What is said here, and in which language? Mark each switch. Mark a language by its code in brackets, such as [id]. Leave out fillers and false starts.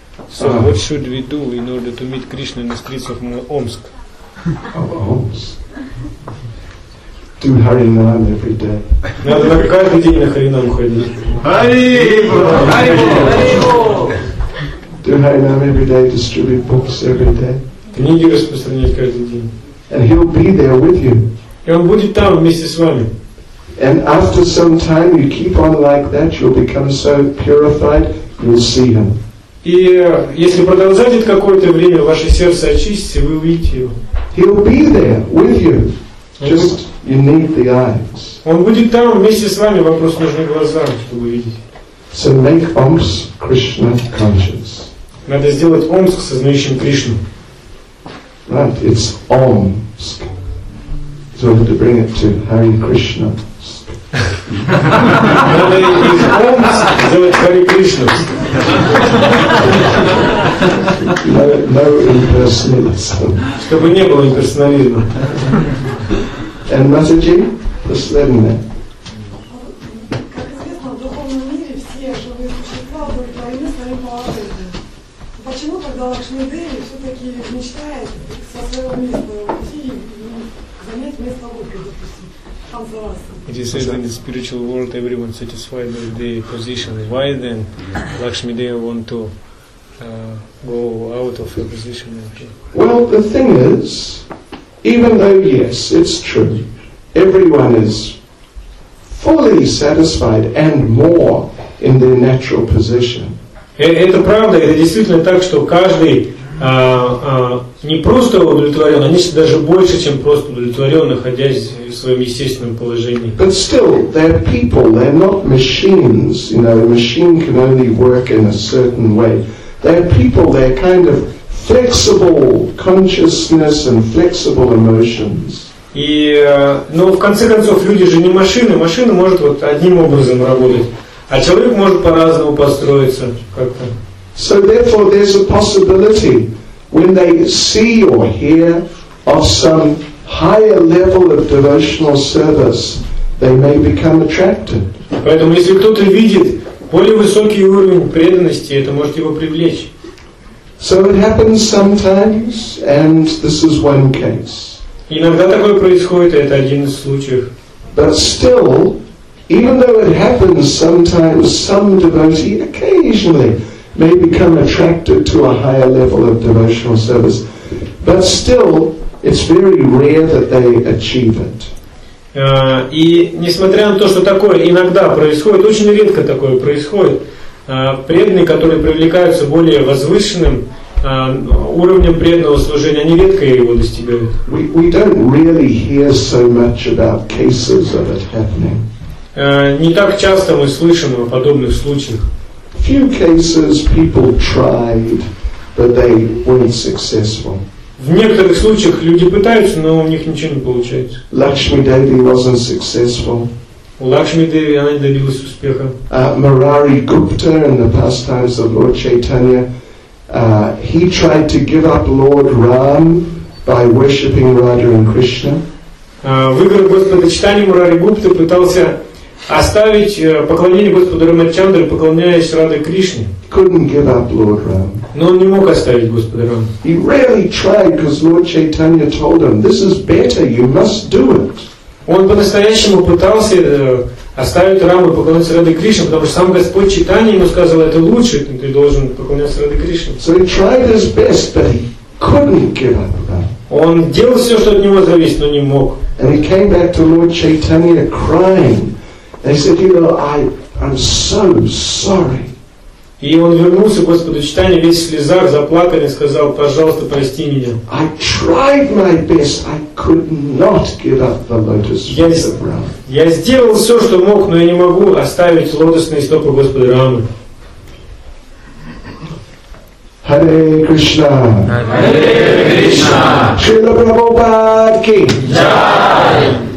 [en] So what should we do in order to meet Krishna in the streets of Omsk? Oh, Omsk. Do Harinam every day. [ru] Надо каждый день на Харинам ходить. Харибо! [en] Do Harinam every day, distribute books every day. [ru] Книги распространять каждый день. [en] And he'll be there with you. [ru] И он будет там вместе с вами. [en] And after some time you keep on like that, you'll become so purified, you'll see him. [ru] И если продолжать это какое-то время, ваше сердце очистится, вы увидите его. [en] He'll be there with you. Just you need the eyes. [ru] Он будет там вместе с вами, вам просто нужны глаза, чтобы увидеть. [en] So make Omsk Krishna conscious. [ru] Надо сделать Омск сознающим Кришну. [en] Right, it's Omsk. So to bring it to Hare Krishna. [ru] Надо из Омск сделать Харе Кришну. [en] No impersonalism. [ru] Чтобы не было имперсонализма. [en] And Masaji, [ru] последний. Как известно, в духовном мире все живые существа были творены своим положением. Почему тогда Лакшми Деви все-таки мечтает со своего места уйти и занять место Лупы, допустим? [en] It is said in the spiritual world everyone satisfied with the position. Why then Lakshmi Deva want to go out of her position? Well, the thing is, even though yes, it's true, everyone is fully satisfied and more in their natural position. [ru] Это правда, это действительно так, что каждый не просто удовлетворен, а нечто даже больше, чем просто удовлетворен, находясь в своем естественном положении. [en] But still, they're people, they're not machines, you know, a machine can only work in a certain way. They're people, they're kind of flexible consciousness and flexible emotions. [ru] Но в конце концов, люди же не машины, машина может вот одним образом работать, а человек может по-разному построиться как-то. [en] So therefore there's a possibility when they see or hear of some higher level of devotional service they may become attracted. [ru] Поэтому если кто-то видит более высокий уровень преданности, это может его привлечь. [en] So it happens sometimes, and this is one case. [ru] Иногда такое происходит, и это один из случаев. [en] But still, even though it happens sometimes, some devotee occasionally may become attracted to a higher level of devotional service. But still, it's very rare that they achieve it. [ru] И несмотря на то, что такое иногда происходит, очень редко такое происходит, преданные, которые привлекаются более возвышенным уровнем преданного служения, они редко его достигают. [en] We don't really hear so much about cases of it happening. [ru] Не так часто мы слышим о подобных случаях. [en] Few cases people tried, but they weren't successful. [ru] В некоторых случаях люди пытаются, но у них ничего не получается. [en] Lakshmi Devi wasn't successful. [ru] У Лакшми Деви она не добилась успеха. [en] Murari Gupta in the pastimes of Lord Chaitanya, he tried to give up Lord Ram by worshipping Radha and Krishna. [ru] Выиграв Господа Чайтанья, Мурари Гупта пытался оставить поклонение Господу Рамачандре, поклоняясь Раде Кришне. [en] Couldn't give up Lord Ram. [ru] Но он не мог оставить Господа Рама. [en] He really tried because Lord Chaitanya told him, "This is better. You must do it." [ru] Он по-настоящему пытался оставить Раму и поклоняться Раде Кришне, потому что сам Господь Чайтанья ему сказал, это лучше, ты должен поклоняться Раде Кришне. [en] So he tried his best, but he couldn't give up Ram. [ru] Он делал все, что от него зависит, но не мог. [en] And he came back to Lord Chaitanya crying. And he said, "You know, I'm so sorry." [ru] И он вернулся к Господу Чайтанья весь в слезах, заплакал и сказал, пожалуйста, прости меня. [en] I tried my best. I could not give up the lotus feet of Rama. [ru] Я сделал все, что мог, но я не могу оставить лотосные стопы Господа Рамы. [en] Hare Krishna. Hare Krishna. Srila Prabhupada ki jai.